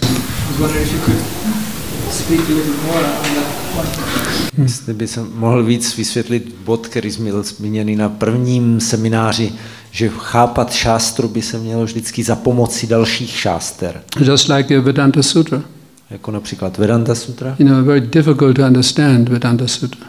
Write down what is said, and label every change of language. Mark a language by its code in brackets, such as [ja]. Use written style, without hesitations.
[en] I was wondering if you could speak a little more on that point. [cs] Jestli by jsem mohl víc vysvětlit bod, který byl zmíněný na prvním semináři, že chápat šástru by se mělo vždycky za pomoci dalších šáster. [en] Just like Vedanta Sutra. [cs] Jako například Vedanta Sutra. [en] You know, very difficult to understand Vedanta Sutra.